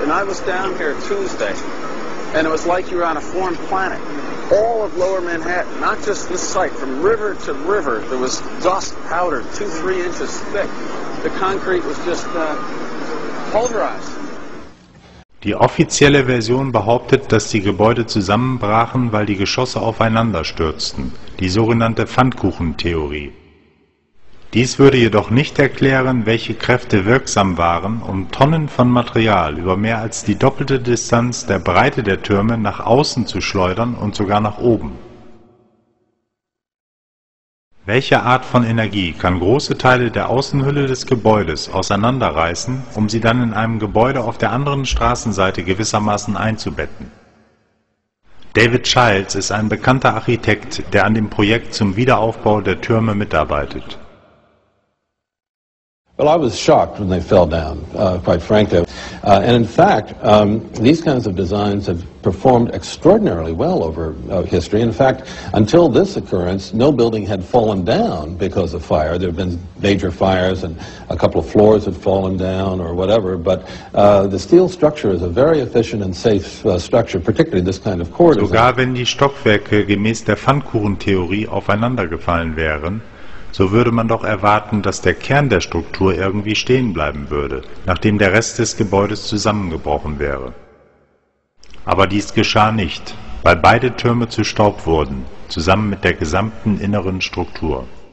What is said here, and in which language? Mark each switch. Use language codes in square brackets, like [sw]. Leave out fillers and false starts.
[en] And I was down here Tuesday, and it was like you were on a foreign planet. All of Lower Manhattan, not just this site, from river to river, there was dust, powder, 2-3 inches thick. The concrete was just pulverized. [de] Die offizielle Version behauptet, dass die Gebäude zusammenbrachen, weil die Geschosse aufeinander stürzten. Die sogenannte Pfannkuchentheorie. Dies würde jedoch nicht erklären, welche Kräfte wirksam waren, um Tonnen von Material über mehr als die doppelte Distanz der Breite der Türme nach außen zu schleudern und sogar nach oben. Welche Art von Energie kann große Teile der Außenhülle des Gebäudes auseinanderreißen, um sie dann in einem Gebäude auf der anderen Straßenseite gewissermaßen einzubetten? David Childs ist ein bekannter Architekt, der an dem Projekt zum Wiederaufbau der Türme mitarbeitet. [en] Well, I was shocked when they fell down, quite frankly. And in fact, these kinds of designs have performed extraordinarily well over history. In fact, until this occurrence, no building had fallen down because of fire. There have been major fires and a couple of floors had fallen down or whatever. But the steel structure is a very efficient and safe structure, particularly this kind of core design. [de] Sogar wenn die Stockwerke gemäß der Pfannkuchentheorie aufeinandergefallen wären, so würde man doch erwarten, dass der Kern der Struktur irgendwie stehen bleiben würde, nachdem der Rest des Gebäudes zusammengebrochen wäre. Aber dies geschah nicht, weil beide Türme zu Staub wurden, zusammen mit der gesamten inneren Struktur.